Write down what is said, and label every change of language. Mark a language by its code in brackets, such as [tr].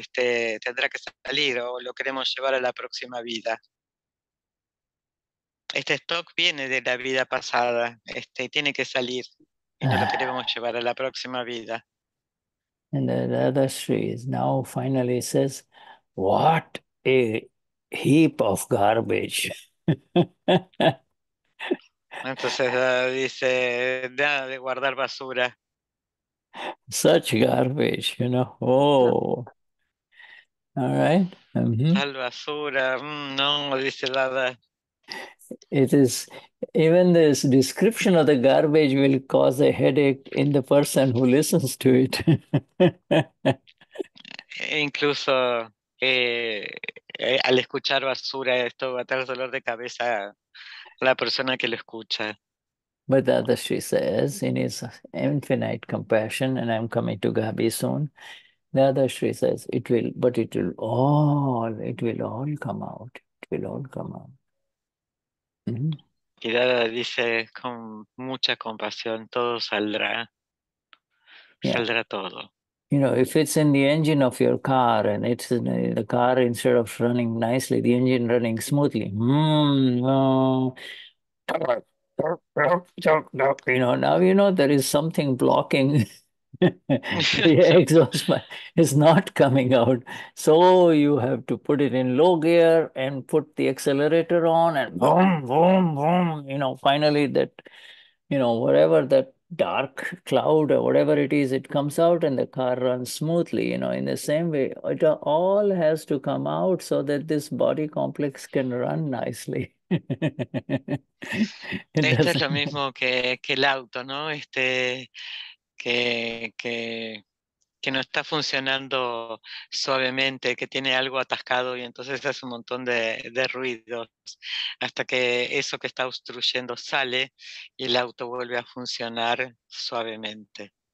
[es] Tendrá que salir o lo queremos llevar a la próxima vida. Este stock viene de la vida pasada, tiene que salir y no lo queremos llevar a la próxima vida. [en] And the Dadashri is now finally says, what a heap of garbage. [es] Entonces dice, nada de guardar basura. [en] Such garbage, you know. Oh. All right. [es] Mm-hmm. Tal basura. No, dice nada. [en] It is, even this description of the garbage will cause a headache in the person who listens to it. [es] Incluso al escuchar basura, esto va a traer dolor de cabeza. La persona que lo escucha. [en] But Dadashri says, in his infinite compassion, and I'm coming to Gabi soon, Dadashri says, it will all come out. It will all come out. [es] Mm-hmm. Y Dada dice, con mucha compasión, todo saldrá. Yeah. Saldrá todo. [en] You know, if it's in the engine of your car and it's in the car, instead of running nicely, the engine running smoothly, now there is something blocking the exhaust pipe. It's not coming out. So you have to put it in low gear and put the accelerator on and boom, boom, boom. You know, finally that, you know, whatever that dark cloud or whatever it is, it comes out and the car runs smoothly, you know, in the same way. It all has to come out so that this body complex can run nicely. [es] Esto es lo mismo que el auto, ¿no? Este, que no está funcionando suavemente, que tiene algo atascado y entonces hace un montón de ruidos hasta que eso que está obstruyendo sale y el auto vuelve a funcionar suavemente.